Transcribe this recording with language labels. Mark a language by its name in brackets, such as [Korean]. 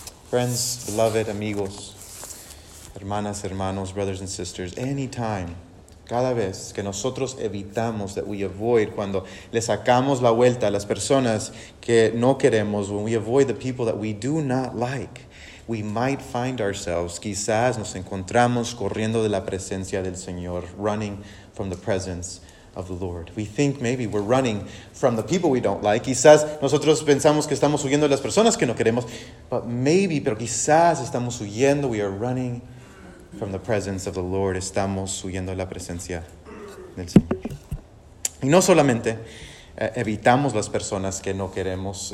[English] Friends, beloved, [Spanish] amigos, hermanas, hermanos, [English] brothers and sisters, anytime, [Spanish] cada vez que nosotros evitamos, [English] that we avoid, [Spanish] cuando le sacamos la vuelta a las personas que no queremos, [English] when we avoid the people that we do not like, we might find ourselves, [Spanish] quizás nos encontramos corriendo de la presencia del Señor, [English] running from the presence of the Lord. We think maybe we're running from the people we don't like. [Spanish] Quizás nosotros pensamos que estamos huyendo de las personas que no queremos. [English] But maybe, [Spanish] pero quizás estamos huyendo. [English] We are running from the presence of the Lord. [Spanish] Estamos huyendo de la presencia del Señor. Y no solamente evitamos las personas que no queremos.